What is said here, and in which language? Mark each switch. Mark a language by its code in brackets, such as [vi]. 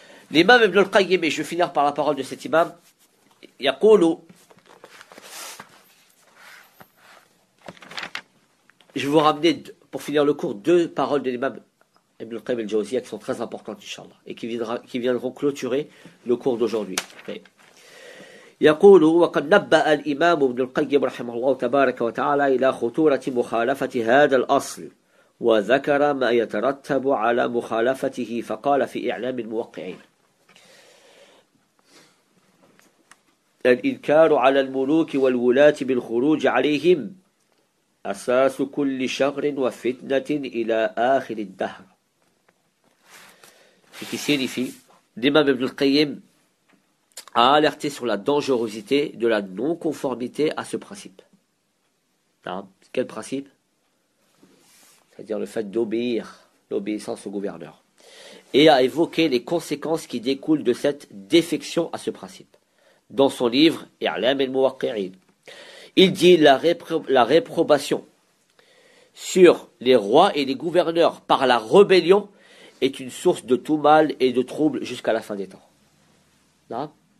[fr] L'imam Ibn al-Qayyim, et je vais finir par la parole de cet imam, Yaqulu. Je vais vous ramener, pour finir le cours, deux paroles de l'imam Ibn al-Qayyim al-Jawziyya qui sont très importantes, Inch'Allah, et qui viendront clôturer le cours d'aujourd'hui. Okay. [ar] يقول وقد نبأ الإمام ابن القيم رحمه الله تبارك وتعالى إلى خطورة مخالفة هذا الأصل وذكر ما يترتب على مخالفته فقال في إعلام الموقعين الإنكار على الملوك والولاة بالخروج عليهم أساس كل شر وفتنة إلى آخر الدهر في كثير في الإمام ابن القيم [fr] a alerté sur la dangerosité de la non-conformité à ce principe. Non. Quel principe? C'est-à-dire le fait d'obéir, l'obéissance au gouverneur. Et a évoqué les conséquences qui découlent de cette défection à ce principe. Dans son livre, I'lam al-Muwaqqi'in, il dit la réprobation sur les rois et les gouverneurs par la rébellion est une source de tout mal et de trouble jusqu'à la fin des temps. Non.